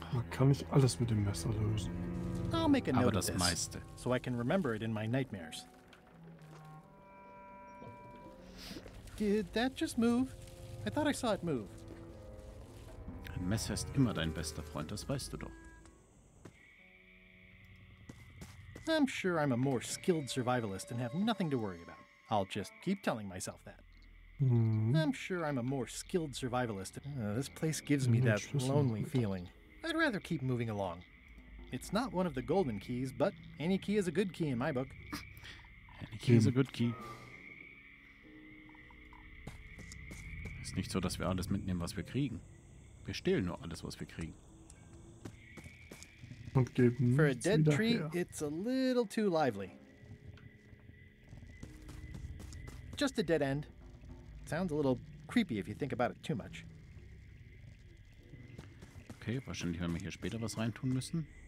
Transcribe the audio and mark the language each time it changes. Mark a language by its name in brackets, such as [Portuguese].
[German] Kann ich alles mit dem Messer lösen? [English] I'll make a note [German] Aber das [English] of this, [German] meiste. [English] So I can remember it in my nightmares. Did that just move? I thought I saw it move. [German] Ein Messer ist immer dein bester Freund, das weißt du doch. [English] I'm sure I'm a more skilled survivalist and have nothing to worry about. I'll just keep telling myself that. I'm sure I'm a more skilled survivalist. This place gives me that lonely feeling. I'd rather keep moving along. It's not one of the golden keys, but any key is a good key in my book. Any key is a good key. [German] Ist nicht so, dass wir alles mitnehmen, was wir kriegen. Wir stehlen nur alles, was wir kriegen. Und geben [English] For a dead tree, it's a little too lively. Just a dead end. Sounds a little creepy if you think about it too much. [German] Okay, wahrscheinlich werden wir hier später was reintun müssen.